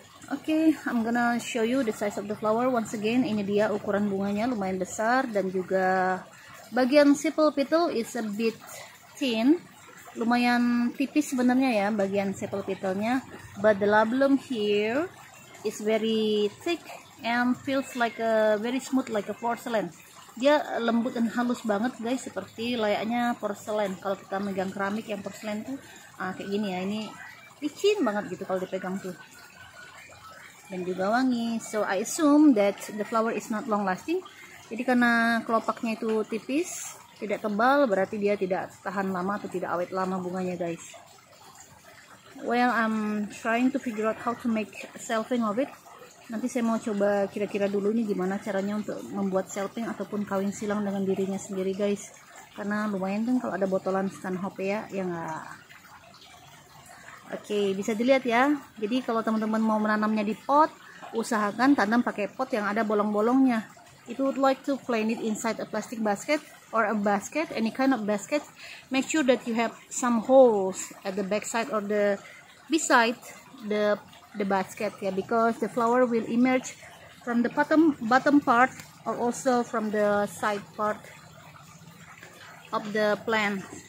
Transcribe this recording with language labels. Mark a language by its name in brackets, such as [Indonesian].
[English] Okay, I'm gonna show you the size of the flower once again. [Indonesian] Ini dia ukuran bunganya, lumayan besar, dan juga bagian sepal petal [English] is a bit thin, [Indonesian] lumayan tipis sebenarnya ya bagian sepal petalnya. [English] But the labellum here is very thick and feels like a very smooth like a porcelain. [Indonesian] Dia lembut dan halus banget guys, seperti layaknya porcelain. Kalau kita megang keramik yang porcelain tuh kayak gini ya, ini licin banget gitu kalau dipegang tuh. Dan juga wangi. [English] So I assume that the flower is not long lasting. [Indonesian] Jadi karena kelopaknya itu tipis, tidak tebal, berarti dia tidak tahan lama atau tidak awet lama bunganya guys. [English] Well, I'm trying to figure out how to make selving of it. [Indonesian] Nanti saya mau coba kira-kira dulu nih gimana caranya untuk membuat selving ataupun kawin silang dengan dirinya sendiri guys. Karena lumayan kan kalau ada botolan Stanhopia ya, ya nggak. Oke, bisa dilihat ya. Jadi kalau teman-teman mau menanamnya di pot, usahakan tanam pakai pot yang ada bolong-bolongnya. [English] If you would like to plant it inside a plastic basket or a basket, any kind of basket, make sure that you have some holes at the backside or the beside the basket ya, because the flower will emerge from the bottom part or also from the side part of the plant.